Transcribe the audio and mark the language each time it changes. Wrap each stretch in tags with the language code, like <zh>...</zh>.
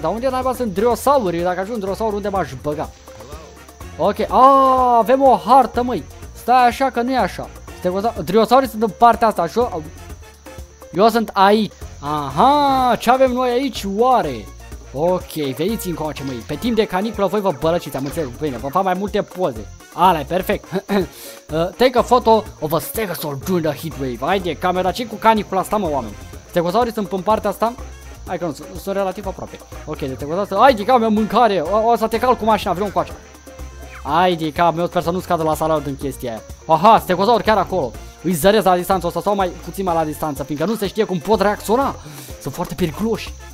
<ro>Dar unde naiba sunt dinozauri? Dacă ajung dinozauri, unde m-aș băga? Ok, avem o hartă, măi. Stai așa că nu e așa. Dinozaurii sunt în partea asta, așa? Eu sunt aici. Aha, ce avem noi aici, oare? Ok, veniți încoace, măi. Pe timp de caniculă voi vă bălăciți, am înțeles. Bine, vă fac mai multe poze. Ala e perfect.</ro> <en>Take a photo of a stegosaur during the heat wave.</en> <ro>Haide, camera, ce cu canicula asta, mă, oameni? Stegosaurii sunt în partea asta? Hai că nu, sunt relativ aproape. Ok, de stegosaurii sunt... Haide, camera, mâncare! O să te calc cu mașina, vreau încoace. Haide, camera, sper să nu scadă la salariul din chestia aia. Aha, stegosaurul chiar acolo. Îi zărez la distanță, o să stau mai puțin mai la distanță, fiindcă nu se știe cum pot reacționa. Sunt foarte periculoși.</ro>